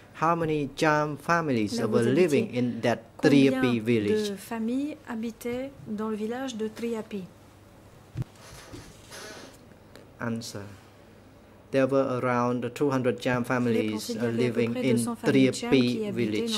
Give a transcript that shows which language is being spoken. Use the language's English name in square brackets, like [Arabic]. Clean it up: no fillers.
[English] how many Cham families were living in that Triapi village? [French] Combien de familles habitaient dans le village de Triapi? [English] Answer. There were around 200 Cham families living in Triapi village.